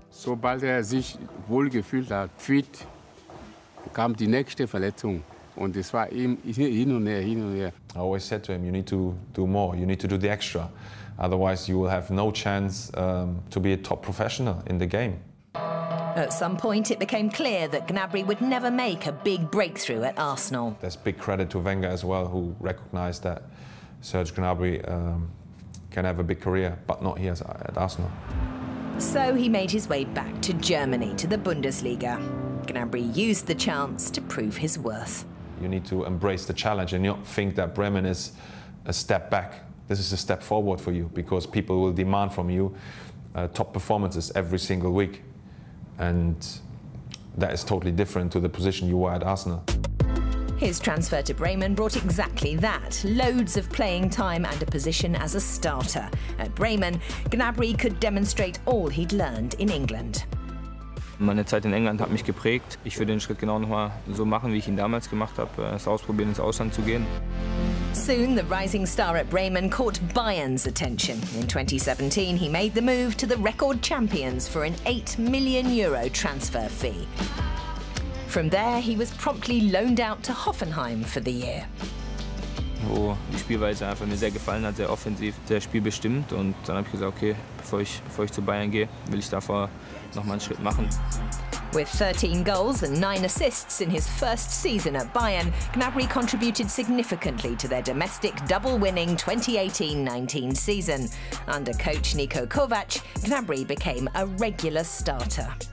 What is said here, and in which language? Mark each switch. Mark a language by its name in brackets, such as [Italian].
[German] Sobald er sich wohl gefühlt hat, fit, kam die nächste Verletzung. Und es war ihm hin und her, hin und her. [English] I always said to him, you need to do more, you need to do the extra. Otherwise, you will have no chance to be a top professional in the game. At some point, it became clear that Gnabry would never make a big breakthrough at Arsenal. There's big credit to Wenger as well, who recognised that Serge Gnabry can have a big career, but not here at Arsenal. So he made his way back to Germany, to the Bundesliga. Gnabry used the chance to prove his worth. You need to embrace the challenge and not think that Bremen is a step back. this is a step forward for you, because people will demand from you top performances every single week. And that is totally different to the position you were at Arsenal. His transfer to Bremen brought exactly that, loads of playing time and a position as a starter. At Bremen, Gnabry could demonstrate all he'd learned in England. [German] Meine Zeit in England hat mich geprägt. Ich würde den Schritt genau nochmal so machen, wie ich ihn damals gemacht habe, es ausprobieren, ins Ausland zu gehen. [English] Soon the rising star at Bremen caught Bayern's attention. In 2017 he made the move to the record champions for an 8 million euro transfer fee. From there he was promptly loaned out to Hoffenheim for the year. [German] Wo die Spielweise einfach mir sehr gefallen hat, sehr offensiv, sehr spielbestimmt. Und dann habe ich gesagt, okay, bevor ich zu Bayern gehe, will ich davor noch mal einen Schritt machen. [English] With 13 goals and 9 assists in his first season at Bayern, Gnabry contributed significantly to their domestic double-winning 2018-19 season. Under coach Niko Kovac, Gnabry became a regular starter.